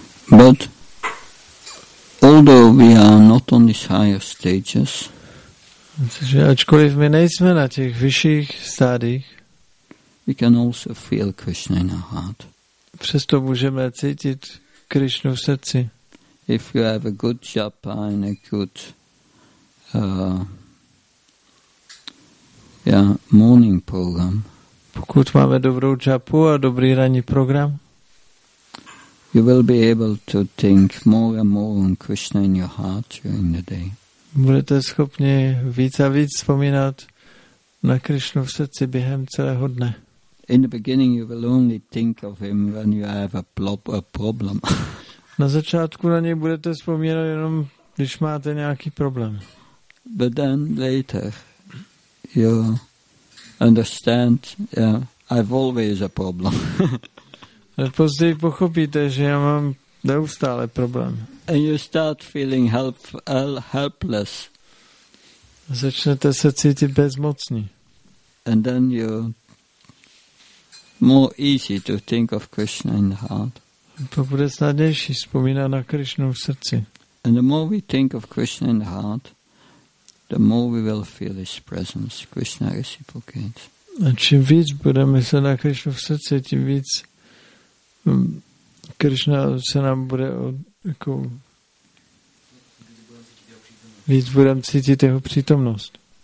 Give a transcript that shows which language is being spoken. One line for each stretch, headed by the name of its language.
English: But although we are not on these higher stages,
Czech: že ačkoliv my nejsme na těch vyšších stádích,
English: we can also feel Krishna in our heart.
Czech: Přesto můžeme cítit Krishnu v srdci.
English: If you have a good japa and a good morning program,
Czech: pokud máme dobrou japu a dobrý ranní program,
English: you will be able to think more and more on Krishna in your heart during the day.
Czech: Budete schopni víc a víc vzpomínat na Krishnu v srdci během celého dne.
English: In the beginning you will only think of him when you have a problem.
Czech: Na začátku na něj budete vzpomínat jenom, když máte nějaký problém.
English: But then later you understand, yeah, I've always a problem.
Czech: A později pochopíte, že já mám neustále problém.
English: And you start feeling helpless.
Czech: Začnete se cítit bezmocní.
English: And then you more easy to think of Krishna in the heart.
Czech: To bude snadnější vzpomínat na Krishnu v srdci.
English: And the more we think of Krishna in the heart, the more we will feel his presence. Krishna reciprocates.
Czech: A čím víc budeme se na Krishnu v srdci, tím víc Krishna se nám bude jako víc budeme cítit jeho přítomnost.